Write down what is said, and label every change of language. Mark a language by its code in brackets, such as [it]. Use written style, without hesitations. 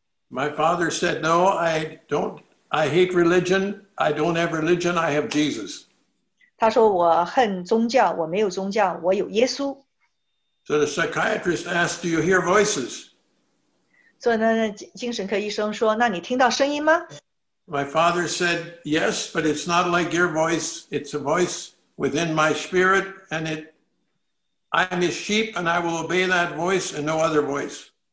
[en] My father said, no, I don't, I hate religion, I don't have religion, I have Jesus. [zh] 他说我恨宗教，我没有宗教，我有耶稣。 [en] So the psychiatrist asked, do you hear voices? [zh] 所以呢，精神科医生说，那你听到声音吗？ [en] My father said, yes, but it's not like your voice, it's a voice within my spirit, and it, I am his sheep, and I will obey that voice and no other voice.